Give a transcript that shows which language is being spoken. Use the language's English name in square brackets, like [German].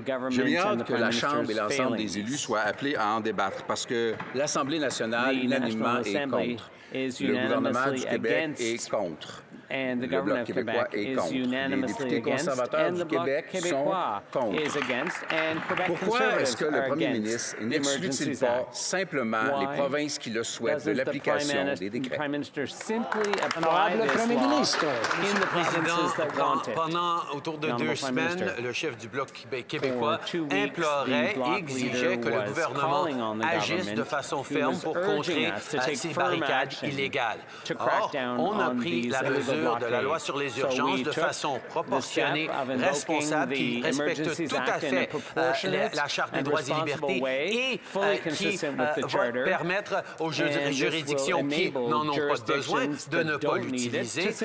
[French] J'ai bien hâte que la Chambre et l'ensemble des élus soient appelés à en débattre, parce que l'Assemblée nationale, unanimement, est contre. Le gouvernement du Québec est contre. [English] And the government of Quebec is unanimously against, and the Bloc Québécois is against, and Quebec Conservatives are against the Emergencies Act. Why doesn't the Prime Minister simply apply this law in the provinces that want it? [French] Pendant autour de deux semaines, le chef du Bloc Québécois implorait et exigeait que le gouvernement agisse de façon ferme pour contrer ces barricades illégales. Or, on a pris la mesure mesures de la loi sur les urgences de façon proportionnée, responsable, qui respecte tout à fait la Charte des droits et libertés et qui va permettre aux juridictions qui n'en ont pas besoin de ne pas l'utiliser.